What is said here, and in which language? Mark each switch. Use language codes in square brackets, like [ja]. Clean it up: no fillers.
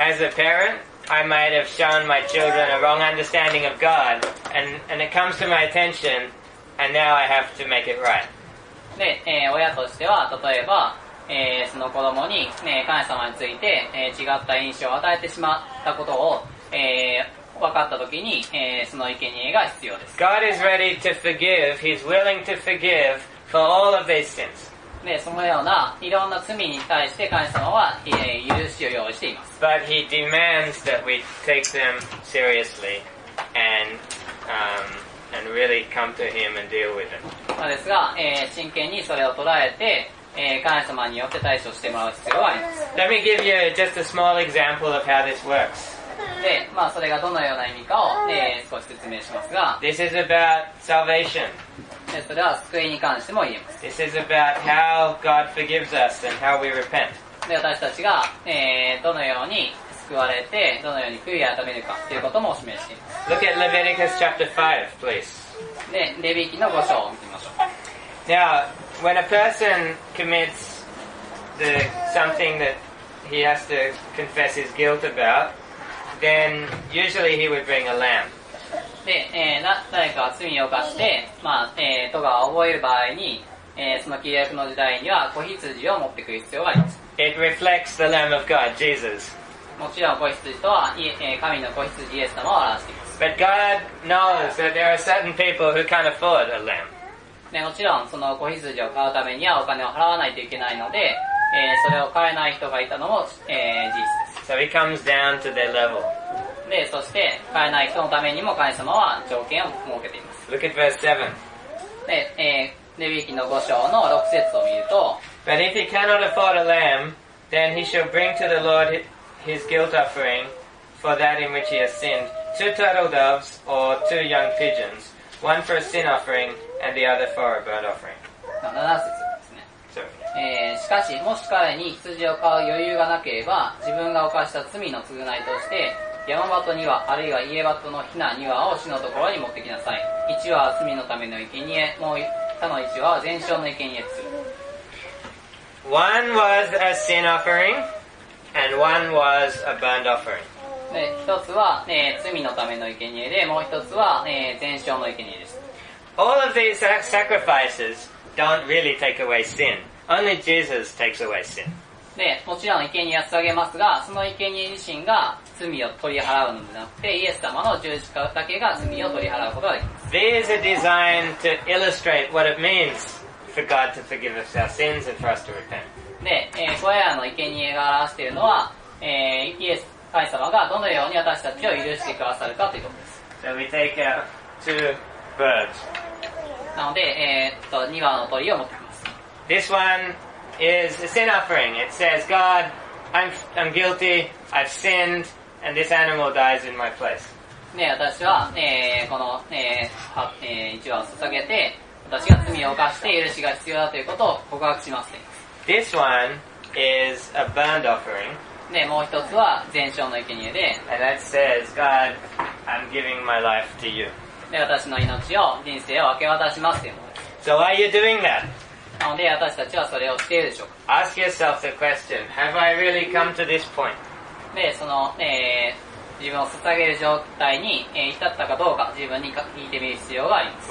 [en] As a parent, I might have shown my children a wrong understanding of God, and it comes to my attention, and now I have to make it right. [ja] で、親としては、例えば、その子供に、神様について、違った印象を与えてしまったことを、分かった時に、その生贄が必要です。 [en] God is ready to forgive. He's willing to forgive for all of these sins. [ja] で、そのようないろんな罪に対して神様は、許しを用意しています。 [en] But he demands that we take them seriously and, and really come to him and deal with them. [ja] まあですが、真剣にそれを捉えて、神様によって対処してもらう必要があります。 [en] Let me give you just a small example of how this works. [ja] で、まあそれがどのような意味かを、少し説明しますが、 [en] This is about salvation. [ja] で、それは救いに関しても言えます。 [en] This is about how God forgives us and how we repent. [ja] で、私たちが、どのように救われて、どのように悔い改めるかということも示しています。 [en] Look at Leviticus chapter 5, please. [ja] で、レビ記の5章を見てみましょう。 [en] Now, when a person commits something that he has to confess his guilt aboutThen usually he would bring a lamb. [ja] で、誰かが罪を犯して、まあ、トガを覚える場合に、その契約の時代には子羊を持ってくる必要があります。 [en] It reflects the Lamb of God, Jesus. [ja] もちろん子羊とは、神の子羊イエス様を表しています。 [en] But God knows that there are certain people who can't afford a lamb. [ja] ね、もちろんその子羊を買うためにはお金を払わないといけないので、それを買えない人がいたのも、事実です。 [en] So he comes down to their level. [ja] で、そして買えない人のためにも神様は条件を設けています。 [en] Look at verse 7。 [ja] で、レビ記の5章の6節を見ると、 [en] But if he cannot afford a lamb, then he shall bring to the Lord his guilt offering for that in which he has sinned, two turtle doves or two young pigeons, one for a sin offering and the other for a burnt offering。 [ja] 7節ですね。しかし、もし彼に羊を飼う余裕がなければ、自分が犯した罪の償いとして山鳩庭、あるいは家鳩のひな2羽を主のところに持ってきなさい。 1羽は罪のための生贄、もう他の1羽は全焼の生贄とする。 [en] One was a sin offering and one was a burnt offering。 [ja] で、1つは、罪のための生贄で、もう1つは、全焼の生贄です。 [en] All of these sacrifices don't really take away sin. Only Jesus takes away sin。 [ja] で、もちろん生贄は捧げますが、その生贄自身が罪を取り払うのではなくて、イエス様の十字架だけが罪を取り払うことができます。 [en] These are designed to illustrate what it means for God to forgive us our sins and for us to repent。 [ja] で、これらの生贄が表しているのは、イエス神様がどのように私たちを許してくださるかということです。 [en] So we take out two birds。 [ja] なので、2羽の鳥を持ってきます。 [en] This oneis a sin offering. It says, God, I'm guilty, I've sinned, and this animal dies in my place. [ja] ね、私は、この、一羽を捧げて、私が罪を犯して許しが必要だということを告白します、ね。 [en] This one is a burnt offering. [ja] ね、もう一つは全焼の生贄で、 [en] and that says, God, I'm giving my life to you. [ja] ね、私の命を、人生を明け渡しますというものです。 [en] So why are you doing that? [ja] なので私たちはそれをしているでしょうか。 [en] Ask yourself the question, have I really come to this point? [ja] で、その、自分を捧げる状態に、至ったかどうか自分に聞いてみる必要があります。